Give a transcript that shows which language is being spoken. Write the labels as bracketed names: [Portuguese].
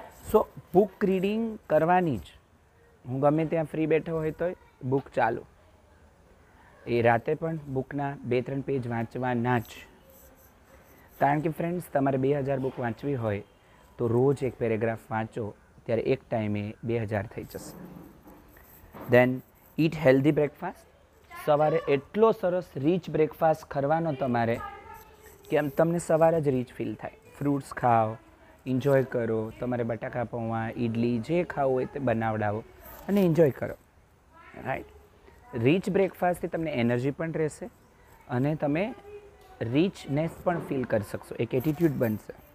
[Gujarati] સો book reading કરવાની જ. હું ગમે ત્યાં ફ્રી બેઠો હોય તોય બુક ચાલુ, એ રાતે પણ બુકના 2-3 પેજ વાંચવાના જ. કારણ કે ફ્રેન્ડ્સ, તમારે 2000 બુક વાંચવી હોય તો રોજ એક પેરેગ્રાફ વાંચો ત્યારે એક ટાઈમે 2000 થઈ જશે. [English] Then eat healthy breakfast. [Gujarati] સવારે એટલો સરસ રીચ બ્રેકફાસ્ટ કરવાનો તમારે કે એમ તમને સવારે જ રીચ ફીલ થાય. ફ્રૂટ્સ ખાઓ, એન્જોય કરો, તમારે બટાકા પૌવા, ઇડલી જે ખાવું હોય તે બનાવડાવો અને એન્જોય કરો. રાઈટ, રીચ બ્રેકફાસ્ટથી તમને એનર્જી પણ રહેશે અને તમે રીચનેસ પણ ફીલ કરી શકશો, એક એટીટ્યૂડ બનશે.